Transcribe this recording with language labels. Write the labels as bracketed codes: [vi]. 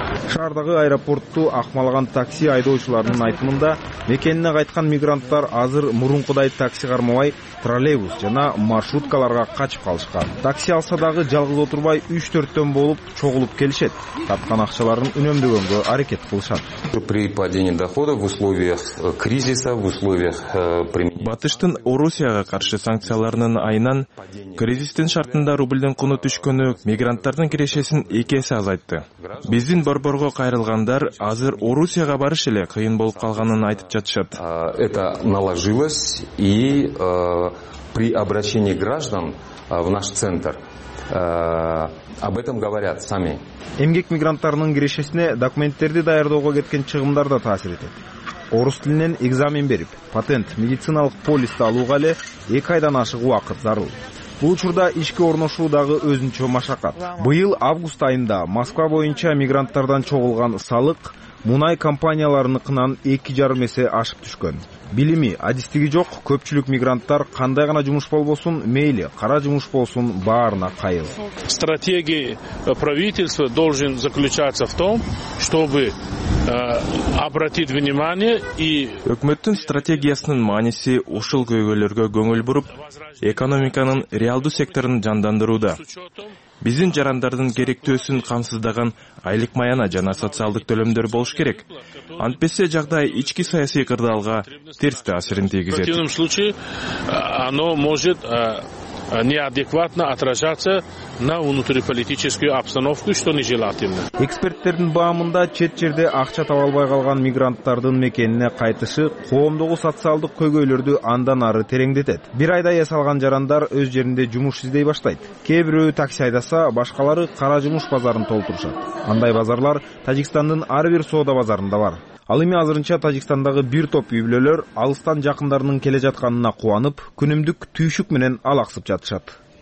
[ky] Шаардагы аэропортту акмалаган такси айдоочуларынын айтымында мекенине кайткан мигранттар азыр мурункудай такси кармабай троллейбус жана маршруткаларга качып калышкан. Такси алса дагы жалгыз отурбай 3-4 болуп чогулуп келишет. Тапкан акчаларын үнөмдөгөнгө аракет кылышат. [ru] При падении доходов в условиях кризиса, в условиях применения [ky] Батыштын Орусияга каршы санкцияларынын айынан кризистин шартында рубльдин куну түшкөнү мигранттардын кирешесин 2 эсе азайтты. Биздин борборго кайрылгандар азыр Орусияга барыш эле кыйын болуп калганын айтып жатышат. [ru] Это наложилось и при обращении граждан в наш центр об этом говорят сами. [ky] Эмгек мигранттарынын кирешесине документтерди даярдоого кеткен чыгымдар да таасир этет. Орус тилинен экзамен берип, патент, медициналык полисти алууга эле 2 айдан ашык убакыт зарыл. Бул учурда ишке орношуу дагы өзүнчө машакат. Быйыл август айында Москва боюнча мигранттардан чогулган салык мунай компанияларыныкынан 2,5 эсе ашып түшкөн. Билими, адистиги жок, көпчүлүк мигранттар кандай гана жумуш болбосун, мейли кара жумуш болсун, баарына кайыл. [ru] Стратегия правительства должен заключаться в том, чтобы обратить внимание и [ky] өкмөттүн стратегиясынын мааниси ушул көйгөйлөргө көңүл буруп, экономиканын реалдуу секторун жандандырууда. Биздин жарандардын керектөөсүн камсыздаган айлык маяна жана социалдык төлөмдөр болуш керек. Антпесе жагдай ички саясий кырдаалга терс таасирин тийгизет. [ru] В противном случае оно может неадекватно отражаться на внутриполитическую обстановку, что нежелательно. [ky] Эксперттердин баамында чет жерде акча таба албай калган мигранттардын мекенине кайтышы коомдогу социалдык көйгөйлөрдү андан ары тереңдетет. Бир айда эс алган жарандар өз жеринде жумуш издей баштайт. Кээ бирөө такси айдаса, башкалары кара жумуш базарын толтурушат. Андай базарлар Тажикстандын ар бир соода базарында бар. Ал эми азырынча Тажикстандагы бир топ үй бүлөлөр алыстан жакындарынын келе жатканына кубанып, күнүмдүк түйшүк менен алаксып жатышат.